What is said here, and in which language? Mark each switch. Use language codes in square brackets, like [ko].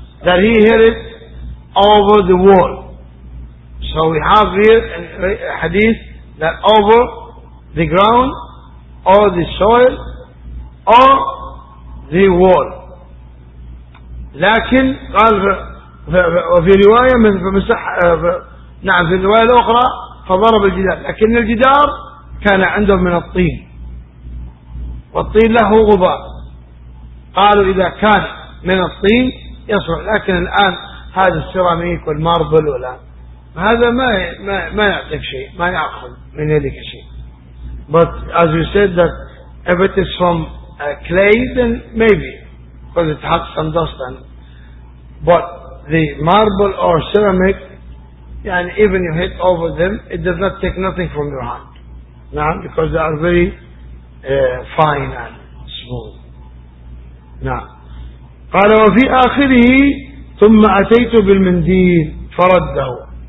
[en] That he hit it over the wall. So we have here a hadith that over the ground or the soil or the wall. [ar] لكن قال وفي رواية من فمسح نعم في الرواية الأخرى فضرب الجدار, لكن الجدار كان عندهم من الطين والطين له غبار. قالوا إذا كان من الطين يصلح, لكن الآن هذا السيراميك والماربل ولا هذا ما يعطيك شيء, ما يأخذ من يدك شيء. [en] But as you said that if it is from clay then maybe, because it has some dust on it. But the marble or ceramic, and even you hit over them, it does not take nothing from your hand. Now, because they are very fine and smooth. [ar] Now, قال وفي آخره ثم أتيت بالمنديل فرده.